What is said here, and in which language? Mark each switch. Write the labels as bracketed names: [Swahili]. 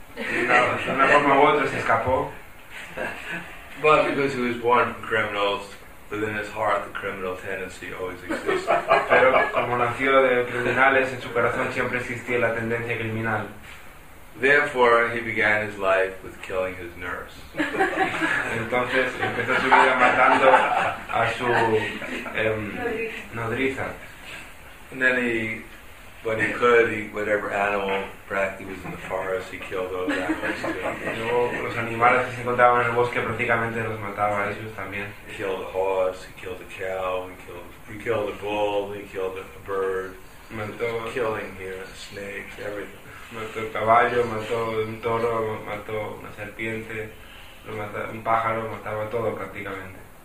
[English] But because he was born from criminals, within his heart the criminal tendency always existed. Therefore, he began his life with killing his nurse. [Spanish] Entonces empezó su vida matando a su nodriza. [English] And then he, when he could, he, whatever animal practically was in the forest, he killed those animals too. [Spanish] Luego los animales que se encontraban en el bosque prácticamente los mataba a ellos también. [English] He killed a horse, he killed a cow, he killed a bull, he killed a bird. [Spanish] Mató. [English] Killing here, snakes, everything. [Spanish] Mató un caballo, mató un toro, mató una serpiente, un pájaro, mataba todo prácticamente.